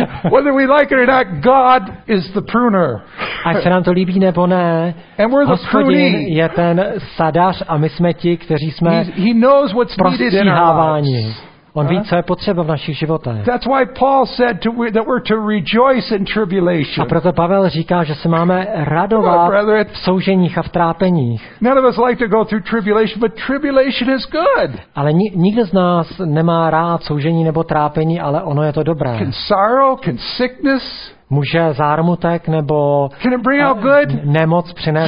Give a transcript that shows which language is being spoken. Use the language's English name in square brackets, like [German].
[English] Whether we like it or not, God is the pruner. [Czech] Ať se nám to líbí nebo ne, [English] and we're the pruning. [Czech] Je ten sadař a my jsme ti, kteří jsme prostříháváni. On ví, co je potřeba v našich životech. [English] That's why Paul said that we're to rejoice in tribulation. [Czech] A proto Pavel říká, že se máme radovat v souženích a v trápeních. [English] None of us like to go through tribulation, but tribulation is good. [Czech] Ale nikdo z nás nemá rád soužení nebo trápení, ale ono je to dobré. [English] Can sorrow, can sickness, [Czech] může zármutek nebo nemoc přinést